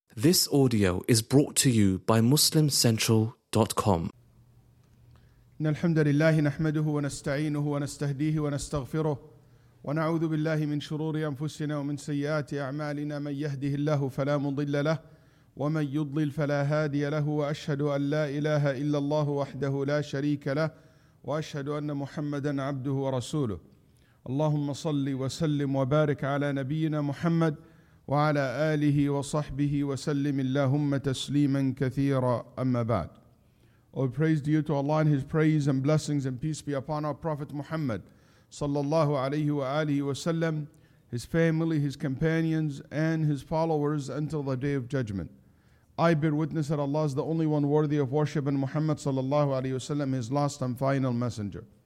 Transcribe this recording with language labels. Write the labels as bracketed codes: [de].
[en] This audio is brought to you by MuslimCentral.com. [ar] إن الحمد لله نحمده ونستعينه ونستهديه ونستغفره ونعوذ بالله من شرور أنفسنا ومن سيئات أعمالنا من يهده الله فلا مضل له ومن يضلل فلا هادي له وأشهد أن لا إله إلا الله وحده لا شريك له وأشهد أن محمدا عبده ورسوله اللهم صل وسلم وبارك على نبينا محمد وعلى آله وصحبه وسلم اللهم تسليما كثيرا أما بعد. [en] All praise due to Allah and His praise and blessings and peace be upon our Prophet Muhammad sallallahu alayhi wa alihi wa sallam, his family, his companions and his followers until the day of judgment. I bear witness that Allah is the only one worthy of worship and Muhammad sallallahu alayhi wa sallam, his last and final messenger.